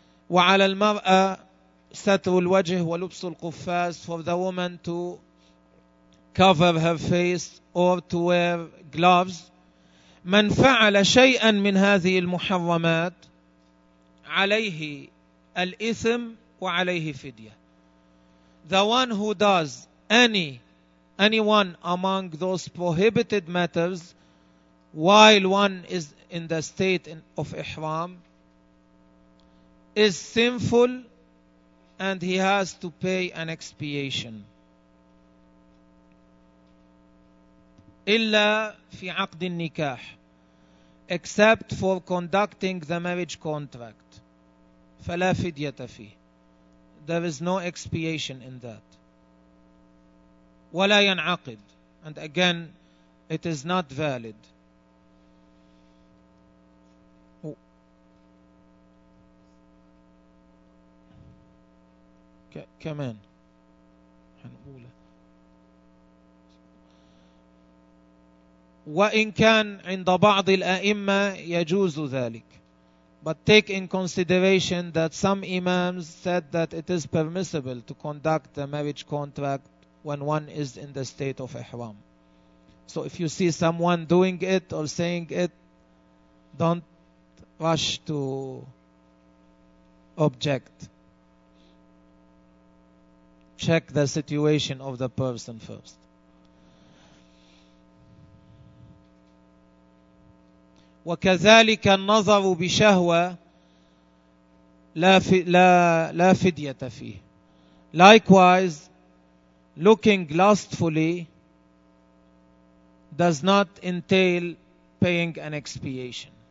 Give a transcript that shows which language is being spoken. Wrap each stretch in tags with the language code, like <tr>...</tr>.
<ar>وعلى المرأة ستر الوجه ولبس القفاز,</ar> <en>for the woman to cover her face or to wear gloves.</en> <ar>من فعل شيئا من هذه المحرمات عليه الإثم وعليه فدية.</ar> <en>The one who does anyone among those prohibited matters while one is in the state of ihram is sinful and he has to pay an expiation.</en> <ar>إلا في عقد النكاح,</ar> <en>except for conducting the marriage contract.</en> <ar>فلا فدية فيه.</ar> <en>There is no expiation in that.</en> <ar>ولا ينعقد.</ar> <en>And again, it is not valid.</en> <ar>كمان هنقول وإن كان عند بعض الأئمة يجوز ذلك.</ar> <en>But take in consideration that some imams said that it is permissible to conduct the marriage contract when one is in the state of ihram. So if you see someone doing it or saying it, don't rush to object. Check the situation of the person first.</en> <ar>وكذلك النظر بشهوة لا فدية فيه.</ar> <en>Likewise, looking lustfully does not entail paying an expiation.</en>